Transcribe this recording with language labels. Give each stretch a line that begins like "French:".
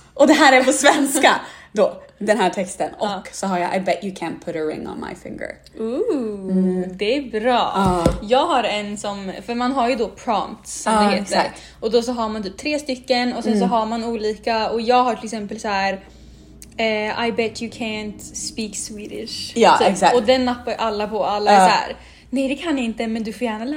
Swedish: Och det här är på svenska då, den här texten. Och så har jag
English: I bet you can't put a ring on my finger.
Swedish: Ooh, det är bra. Jag har en som, för man har ju då prompts som det heter. Exakt. Och då så har man typ 3 stycken och sen så har man olika, och jag har till exempel så här
English: I bet you can't speak Swedish.
Swedish: Ja, så, exakt. Och den nappar alla på, alla så här. Nej, det kan jag inte, men du får gärna lära